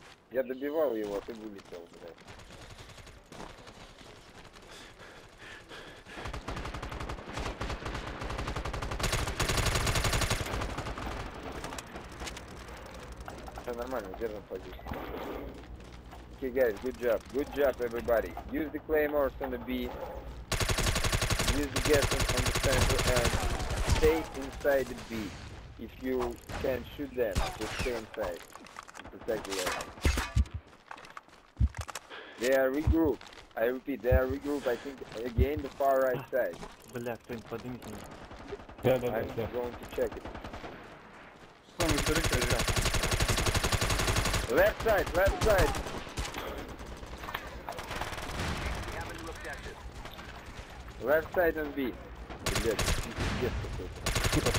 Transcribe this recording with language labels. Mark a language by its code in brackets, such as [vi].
[ru] Я добивал его, а ты вылетел, блядь. Нормально, держим позицию. [en] Okay, guys, good job. Good job, everybody. Use the claymores on the B. Use the gas on the center and stay inside the B. If you can shoot them, just stay inside. Protect the enemy. They are regrouped. I repeat, they are regrouped, I think, again, the far right side. [ru] Бля, кто-нибудь поднимите меня. Да. [en] I'm going to check it. [ru] Сам, вы [en] left side, left side. Left side and B. [ru] Блять, пиздец какой-то.